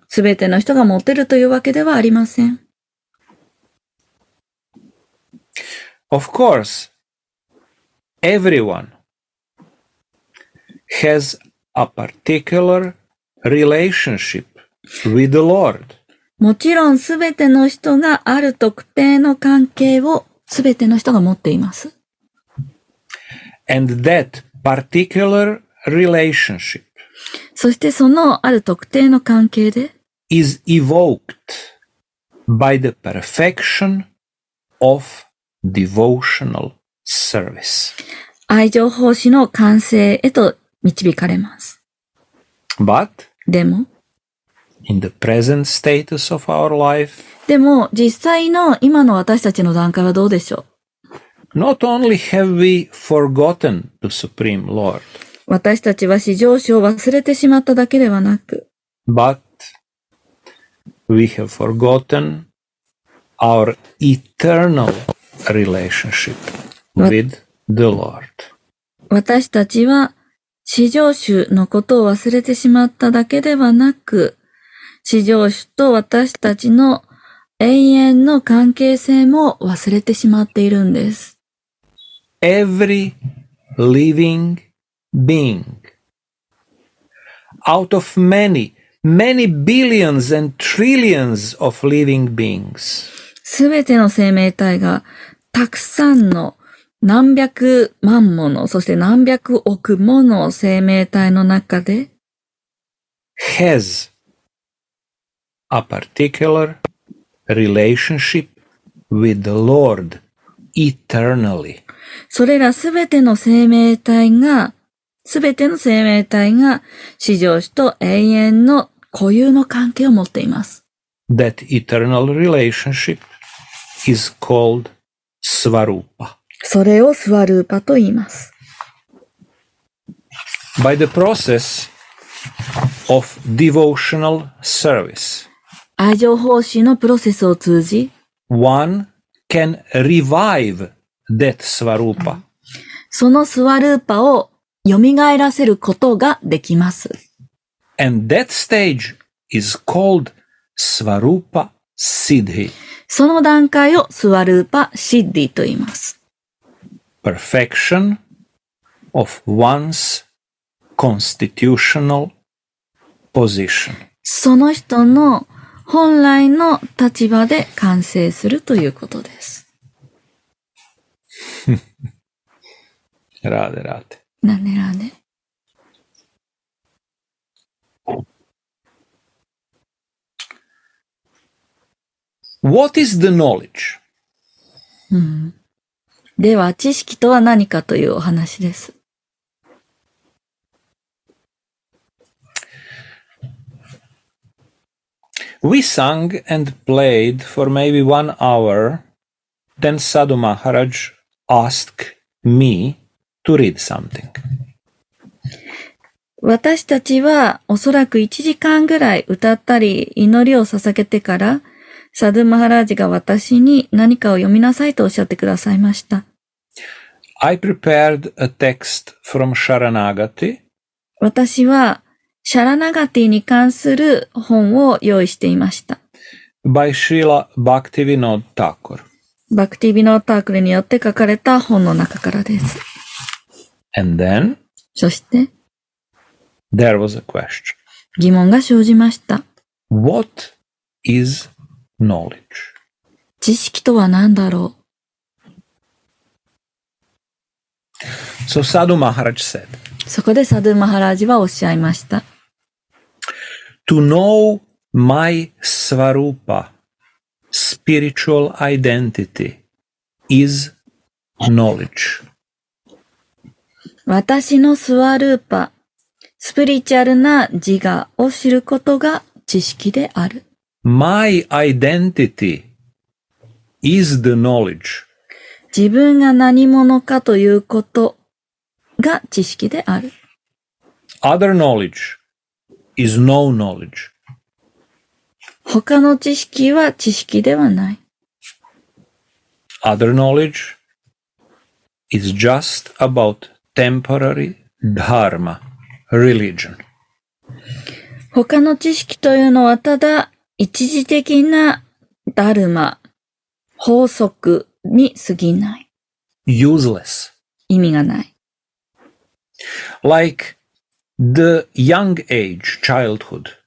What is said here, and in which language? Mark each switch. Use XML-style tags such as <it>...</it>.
<ja>全ての人が持てるというわけではありません。</ja> <en>Of course, everyone has a particular relationship with the Lord.</en> <ja>もちろん、すべての人がある特定の関係をすべての人が持っています。</ja> <en>And that particular relationship.</en> <ja>そして、そのある特定の関係で</ja> <en>is evoked by the perfection of devotional service.</en> <ja>愛情奉仕の完成へと導かれます。</ja> <en>But,</en> <ja>でも、</ja> <en>in the present status of our life,</en> <ja>でも、実際の今の私たちの段階はどうでしょう?</ja> <en>Not only have we forgotten the Supreme Lord,</en> <ja>私たちは至上主を忘れてしまっただけではなく、</ja> <en>But, we have forgotten our eternal relationship with the Lord.</en> <ja>私たちは至上主のことを忘れてしまっただけではなく、至上主と私たちの永遠の関係性も忘れてしまっているんです。</ja> <en>Every living being, out of many, many billions and trillions of living beings,</en> <ja>すべての生命体がたくさんの何百万もの、そして何百億もの生命体の中で、</ja> <en>has a particular relationship with the Lord eternally.</en> <ja>それらすべての生命体が、すべての生命体が、至上主と永遠の固有の関係を持っています。</ja> <en>That eternal relationship is called スワルーパ。</en> <ja>それをスワルーパと言います。</ja> <en>By the process of devotional service,</en> <ja>愛情奉仕のプロセスを通じ、</ja> <en>one can revive that Svarupa.</en> <ja>そのスワルーパをよみがえらせることができます。</ja> <en>And that stage is called Svarupa Siddhi.</en> <ja>その段階をスワルーパシッディと言います。</ja> <en>Perfection of one's constitutional position.</en> <ja>その人の本来の立場で完成するということです。ラーデラーテ。なんでラーデ？</ja> <en>What is the knowledge?</en> <ja>では、知識とは何かというお話です。</ja> <en>We sang and played for maybe 1 hour, then Sadhu Maharaj asked me to read something.</en> <ja>私たちはおそらく1時間ぐらい歌ったり祈りを捧げてから、サドゥ・マハラージが私に何かを読みなさいとおっしゃってくださいました。</ja> <en>I prepared a text from Sharanagati.</en> <ja>私はシャラナガティに関する本を用意していました。</ja> <en>By Srila Bhaktivinoda Thakur.</en> <ja>Bhaktivinoda Thakur によって書かれた本の中からです。</ja> <en>And then?</en> <ja>そして</ja> <en>There was a question.</en> <ja>疑問が生じました。</ja> <en>What is knowledge?</en> <ja>知識とは何だろう？</ja> <en>So Sadhu Maharaj said.</en> <ja>そこでサドゥ・マハラージはおっしゃいました。</ja> <en>To know my Svarupa, spiritual identity, is knowledge.</en> <ja>私のスワルーパ、スピリチュアルな自我を知ることが知識である。</ja> <en>My identity is the knowledge.</en> <ja>自分が何者かということが知識である。</ja> <en>Other knowledge is no knowledge.</en> <ja>他の知識は知識ではない。</ja> <en>Other knowledge is just about temporary dharma, religion.</en> <ja>他の知識というのはただ一時的なダルマ、法則に過ぎない。</ja> <en>Useless.</en> <ja>意味がない。</ja> <en>Like,The young age, childhood.</en>